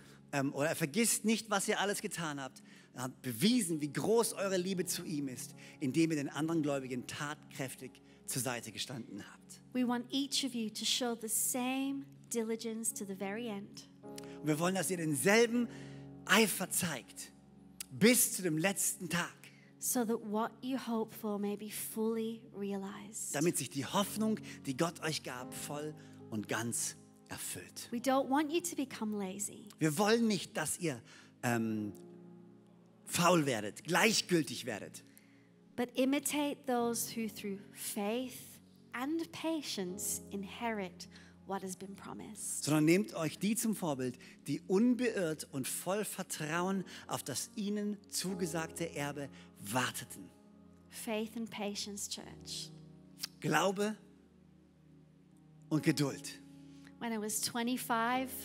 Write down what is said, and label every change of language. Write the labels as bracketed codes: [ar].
[de] Er vergisst nicht, was ihr alles getan habt. Er hat bewiesen, wie groß eure Liebe zu ihm ist, indem ihr den anderen Gläubigen tatkräftig zur Seite gestanden habt. [en] We want each of you to show the same diligence to the very end. [de] Und wir wollen, dass ihr denselben Eifer zeigt bis zu dem letzten Tag. [en] So that what you hope for may be fully realized. [de] Damit sich die Hoffnung, die Gott euch gab, voll und ganz erfüllt. [en] We don't want you to become lazy. [de] Wir wollen nicht, dass ihr faul werdet, gleichgültig werdet. [en] But imitate those who through faith and patience inherit what has been promised. [de] Sondern nehmt euch die zum Vorbild, die unbeirrt und voll Vertrauen auf das ihnen zugesagte Erbe warteten. [en] Faith and patience, Church. [de] Glaube und Geduld. [en] When I was 25,